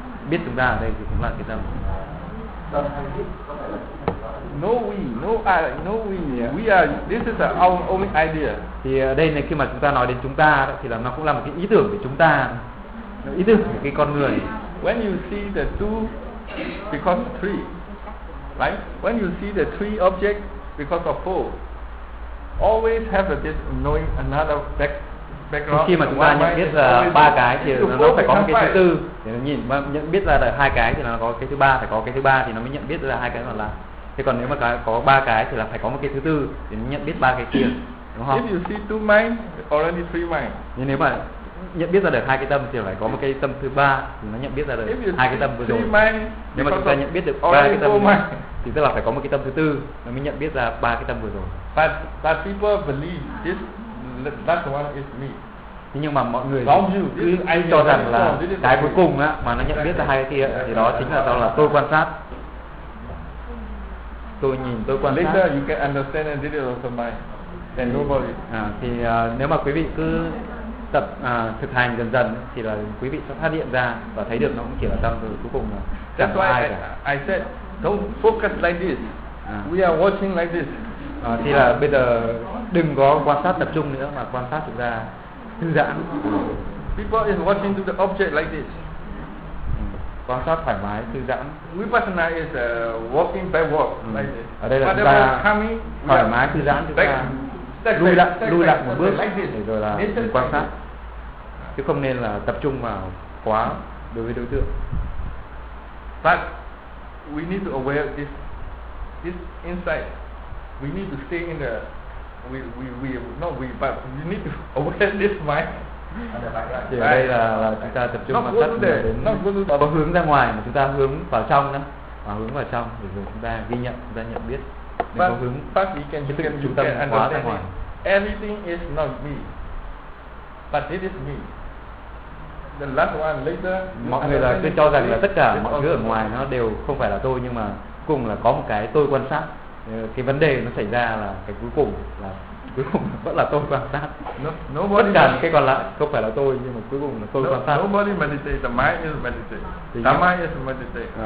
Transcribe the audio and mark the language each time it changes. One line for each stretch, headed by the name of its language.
Vietnamese: Biết chúng ta ở đây thì cũng là cái tâm. Tâm hay biết có thể là
English: No we. We are. This is our only idea.
Vietnamese: Thì đây này, khi mà chúng ta nói đến chúng ta thì là nó cũng là một cái ý tưởng về chúng ta, ý tưởng về cái con người.
English: When you see the two because of three, right? When you see the three object because of four, always have this knowing another background.
Vietnamese: Khi mà chúng ta nhận biết ba cái thì nó phải có cái thứ tư để nó nhìn. Nhận biết ra là hai cái thì nó có cái thứ ba, phải có cái thứ ba thì nó mới nhận biết ra hai cái còn lại. Thế còn nếu mà có ba cái thì là phải có một cái thứ tư để nhận biết ba cái kia, đúng không?
English: If you see two mind, already three mind.
Vietnamese: Nhưng nếu mà nhận biết ra được hai cái tâm thì phải có một cái tâm thứ ba thì nó nhận biết ra được hai cái tâm vừa rồi.
English: Mind,
Vietnamese: nếu mà chúng ta nhận biết được ba cái tâm
English: mind.
Vietnamese: thì tức là phải có một cái tâm thứ tư nó mới nhận biết ra ba cái tâm vừa rồi.
English: But people believe this, that one is me.
Vietnamese: Nhưng mà mọi người cứ cho rằng là cái cuối cùng á mà nó nhận biết ra hai cái kia thì đó chính là sao là tôi quan sát. Tôi nhìn, tôi quan
English: later
Vietnamese: sát.
English: Later you can understand and this is also mine. And nobody.
Vietnamese: Thì nếu mà quý vị cứ tập thực hành dần dần thì là quý vị sẽ phát hiện ra và thấy được nó cũng chỉ là tâm rồi cuối cùng là chẳng có ai cả.
English: I said don't focus like this. We are watching like this.
Vietnamese: Thì là bây giờ đừng có quan sát tập trung nữa mà quan sát thực ra thư giãn.
English: People is watching to the object like this.
Vietnamese: Quan sát thoải mái, thư giãn.
English: Vipassana is walking backward like this.
Vietnamese: Ở đây là chúng ta
English: coming,
Vietnamese: thoải mái, thư giãn chúng ta lùi lại một bước
English: like
Vietnamese: rồi là quan sát. Chứ không nên là tập trung vào quá đối với đối tượng.
English: But we need to aware of this insight. We need to stay in the but you need to aware this mind.
Vietnamese: Thì đây là chúng ta tập trung quan sát và hướng ra ngoài mà chúng ta hướng vào trong đó, và hướng vào trong để rồi chúng ta ghi nhận, chúng ta nhận biết.
English: But
Vietnamese: có hướng
English: but you can
Vietnamese: cái trung tâm
English: can
Vietnamese: hóa ra ngoài.
English: Everything is not me, but it is me. The last one later.
Vietnamese: Mọi người là cứ cho rằng là tất cả mọi thứ ở ngoài nó đều không phải là tôi, nhưng mà cùng là có một cái tôi quan sát. Cái vấn đề nó xảy ra là cái cuối cùng là cuối cùng vẫn là tôi quan sát.
English: No,
Vietnamese: tất cả cái còn lại không phải là tôi, nhưng mà cuối cùng là tôi quan sát.
English: Nobody meditate, the mind is meditate. The mind is meditate.